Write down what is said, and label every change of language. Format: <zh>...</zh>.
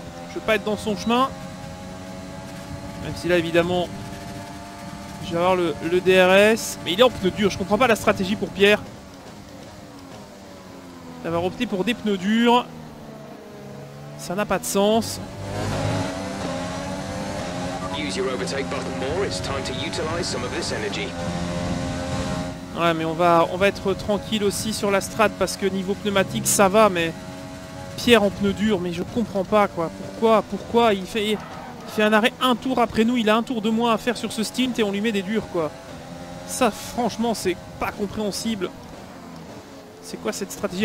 <fr>Je veux pas être dans son chemin. Même si là, évidemment, je vais avoir le DRS. Mais il est en pneus durs, je comprends pas la stratégie pour Pierre. D'avoir opté pour des pneus durs. Ça n'a pas de sens.</fr> <en>Use your overtake button more, it's time to utilize some of this energy.</en> <fr>Ouais, mais on va être tranquille aussi sur la strat parce que niveau pneumatique ça va, mais Pierre en pneu dur, mais je comprends pas quoi. Pourquoi il fait un arrêt un tour après nous, il a un tour de moins à faire sur ce stint et on lui met des durs quoi. Ça franchement c'est pas compréhensible. C'est quoi cette stratégie?</fr>